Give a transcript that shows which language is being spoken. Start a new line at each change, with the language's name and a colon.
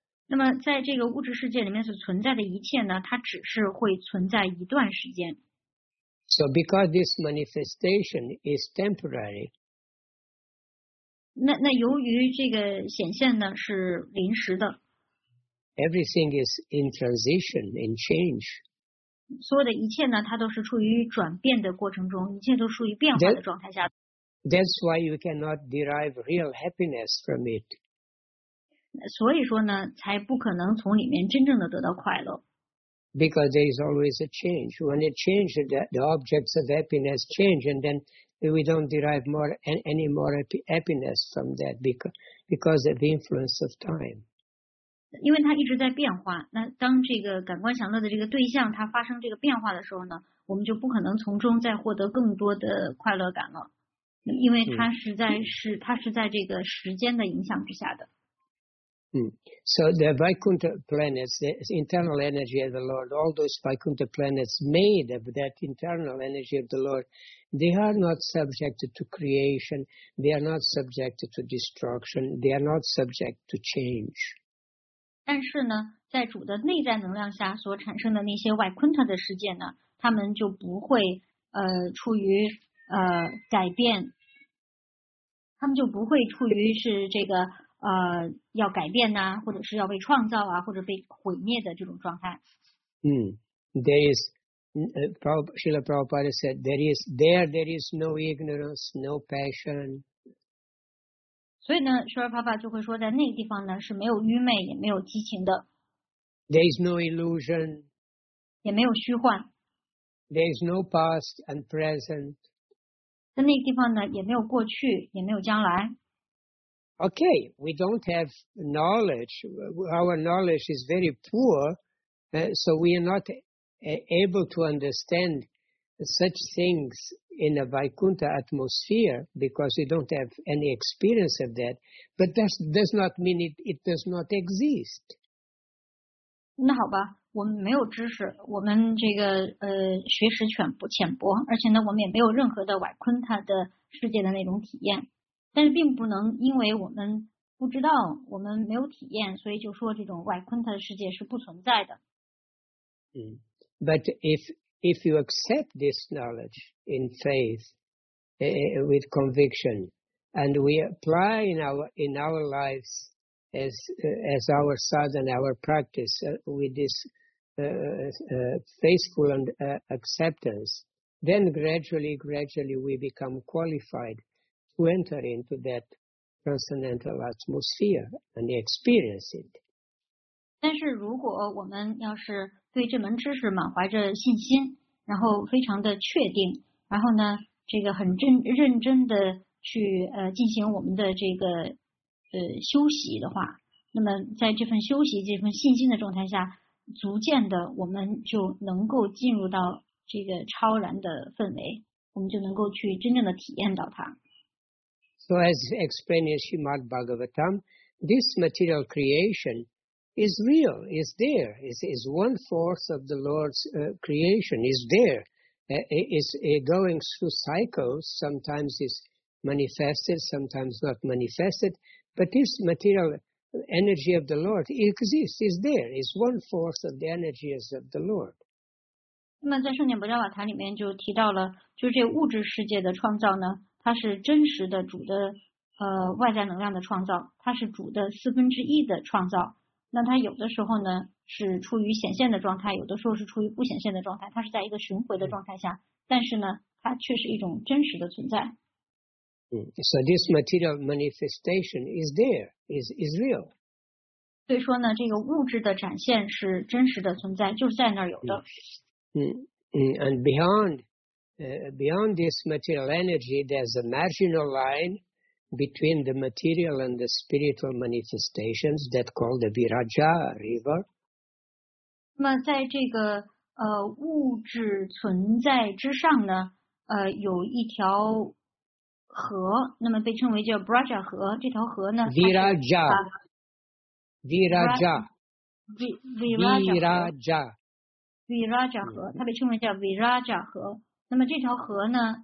Chinese: 那么在这个物质世界里面所存在的一切呢，它只是会存在一段时间。
English: So because this manifestation is temporary.
Chinese: 那由于这个显现呢是临时的。
English: Everything is in transition, in change.
Chinese: 所有的一切呢，它都是处于转变的过程中，一切都处于变化的状态下。
English: That's why you cannot derive real happiness from it.
Chinese: 所以说呢，才不可能从里面真正的得到快乐。
English: Because there is always a change. When it changes, the objects of happiness change, and then we don't derive any more happiness from that because of the influence of time.
Chinese: 因为它一直在变化。那当这个感官享乐的这个对象它发生这个变化的时候呢，我们就不可能从中再获得更多的快乐感了，因为它是在这个时间的影响之下的。
English: So the Vaikuntha planets, the internal energy of the Lord, all those Vaikuntha planets made of that internal energy of the Lord, they are not subjected to creation, they are not subjected to destruction, they are not subject to change.
Chinese: 但是呢，在主的内在能量下所产生的那些Vaikuntha的世界呢，他们就不会处于改变，他们就不会处于是这个。要改变呐、啊，或者是要被创造啊，或者被毁灭的这种状态。
English: There is, Srila Prabhupada said, there is no ignorance, no passion.
Chinese: 所以呢，Srila Prabhupada就会说，在那个地方呢是没有愚昧，也没有激情的。
English: There is no illusion.
Chinese: 也没有虚幻。
English: There is no past and present.
Chinese: 在那个地方呢，也没有过去，也没有将来。
English: Okay, we don't have knowledge. Our knowledge is very poor, so we are not able to understand such things in a Vaikuntha atmosphere because we don't have any experience of that. But that does not mean it does not exist.
Chinese: 那好吧，我们没有知识，我们这个学识浅薄，而且呢，我们也没有任何的外坤他的世界的那种体验。但是并不能因为我们不知道，我们没有体验，所以就说这种外坤他的世界是不存在的。
English: But if you accept this knowledge in faith, with conviction, and we apply in our lives as our sadhana, our practice, with this faithful and acceptance, then gradually we become qualified to enter into that transcendental atmosphere and experience it.
Chinese: 但是如果我们要是对这门知识满怀着信心，然后非常的确定，然后呢，这个很认真的去进行我们的这个修习的话，那么在这份修习、这份信心的状态下，逐渐的我们就能够进入到这个超然的氛围，我们就能够去真正的体验到它。
English: So as explained in Srimad Bhagavatam, this material creation. Is real, is there, is one fourth of the Lord's creation, is there, is going through cycles, sometimes it's manifested, sometimes not manifested, but this material energy of the Lord exists, is there, is one fourth of the energies of the Lord.
Chinese: 那么在圣典博迦瓦坛里面就提到了，就是这物质世界的创造呢，它是真实的主的外在能量的创造，它是主的四分之一的创造。那它有的时候呢是处于显现的状态，有的时候是处于不显现的状态，它是在一个循环的状态下，但是呢它却是一种真实的存在。
English: So this material manifestation is there, is real.
Chinese: 所以说呢这个物质的展现是真实的存在，就是在那儿有的。
English: And beyond this material energy, there's a marginal line. Between the material and the spiritual manifestations, that called the Viraja River.
Chinese: 那么在这个物质存在之上呢，有一条河，那么被称为叫 Braja 河。这条河呢，Viraja, Viraja, Viraja, Viraja 河，它被称为叫 Viraja 河。那么这条河呢？